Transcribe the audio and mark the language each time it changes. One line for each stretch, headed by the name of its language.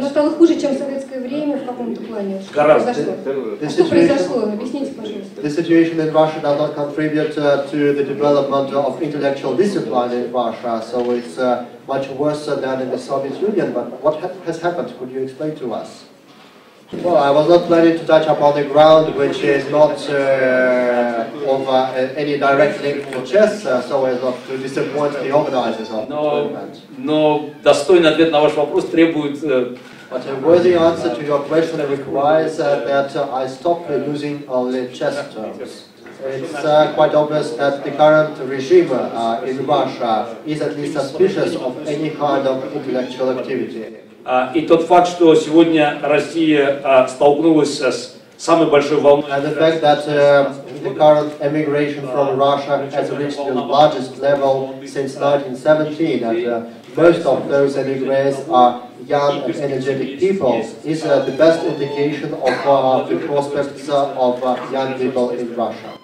Russian: Но стало хуже, чем в советское время, в каком-то плане. Гораздо. Что произошло? Объясните, пожалуйста.
English: The situation that Russia does not contribute to the development of intellectual discipline in Russia, so it's much worse than in the Soviet Union. But what has happened? Could you explain to us? Well, I was not planning to touch upon the ground which is not of any direct link to chess, so as not to disappoint the organizers of
Russian: но достойный ответ на ваш вопрос требует.
English: But a worthy answer to your question requires that I stop using only chess terms. It's quite obvious that the current regime in Russia is at least suspicious of any kind of intellectual activity.
Russian: И тот факт, что сегодня Россия столкнулась с самой большой волной.
English: And the fact that the current emigration from Russia has reached the largest level since 1917, and most of those emigres are young and energetic people, is the best indication of the prospects of young people in Russia.